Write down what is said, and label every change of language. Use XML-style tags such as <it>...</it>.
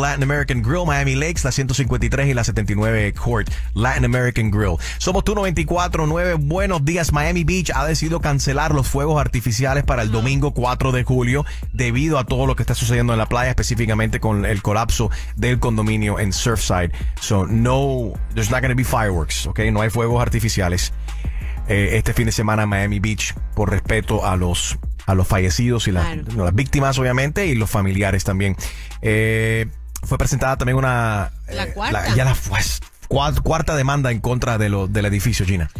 <es>Latin American Grill, Miami Lakes, la 153 y la 79 Court. Latin American Grill. Somos tu 94.9. Buenos días. Miami Beach ha decidido cancelar los fuegos artificiales para el domingo 4 de julio debido a todo lo que está sucediendo en la playa, específicamente con el colapso del condominio en Surfside.</es> <en>So, no, there's not going to be fireworks, okay?</en> <es>No hay fuegos artificiales este fin de semana en Miami Beach por respeto a los fallecidos y las víctimas, obviamente, y los familiares también. Fue presentada también una... La cuarta demanda en contra de del edificio, Gina.</es>